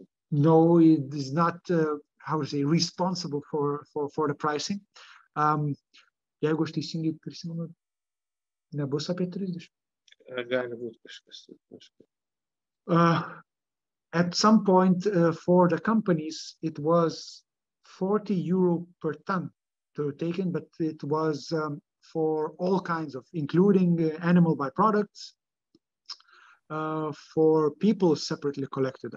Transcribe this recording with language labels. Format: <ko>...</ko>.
<en>No, it is not, responsible for the pricing.</en> <lt>Jeigu aš teisingai prisimenu, nebus apie 30.</lt> <en>At some point, for the companies, it was 40 euro per ton to take in, but it was for all kinds of, including animal byproducts, for people separately collected.</en>